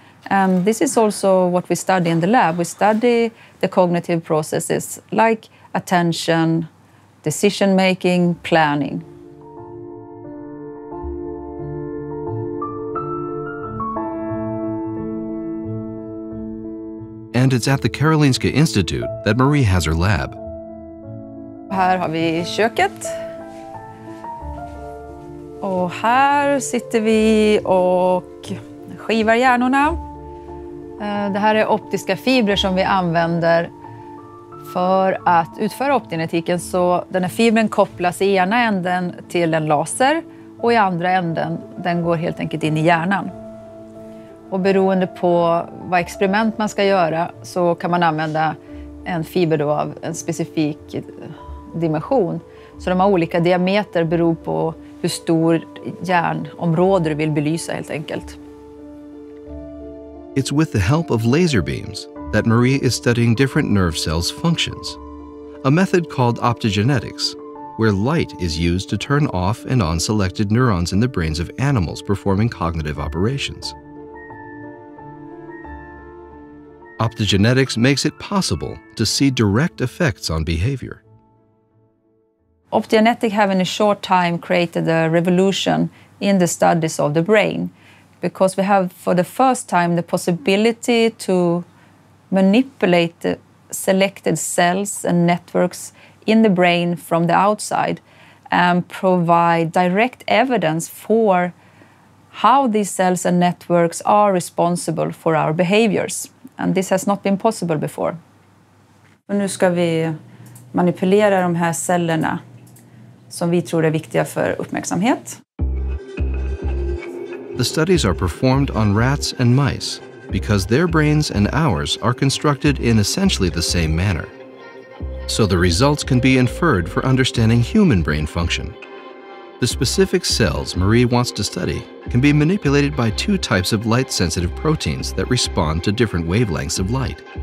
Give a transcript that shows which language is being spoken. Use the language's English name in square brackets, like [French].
[English] And this is also what we study in the lab. We study the cognitive processes like attention, decision-making, planning. And it's at the Karolinska Institute that Marie has her lab. [Swedish] Här har vi köket. Och här sitter vi och skivar hjärnorna. Det här är optiska fibrer som vi använder för att utföra optogenetiken. Så den här fibren kopplas i ena änden till en laser och i andra änden den går helt enkelt in i hjärnan. Och beroende på vad experiment man ska göra så kan man använda en fiber då av en specifik dimension. Så de har olika diameter beror på hur stor hjärnområde du vill belysa helt enkelt. [English] It's with the help of laser beams that Marie is studying different nerve cells' functions, a method called optogenetics, where light is used to turn off and on selected neurons in the brains of animals performing cognitive operations. Optogenetics makes it possible to see direct effects on behavior. Optogenetics have in a short time created a revolution in the studies of the brain, because we have for the first time the possibility to manipulate the selected cells and networks in the brain from the outside and provide direct evidence for how these cells and networks are responsible for our behaviors. And this has not been possible before. [Swedish] Och nu ska vi manipulera de här cellerna som vi tror är viktiga för uppmärksamhet. [English] The studies are performed on rats and mice because their brains and ours are constructed in essentially the same manner. So the results can be inferred for understanding human brain function. The specific cells Marie wants to study can be manipulated by two types of light-sensitive proteins that respond to different wavelengths of light.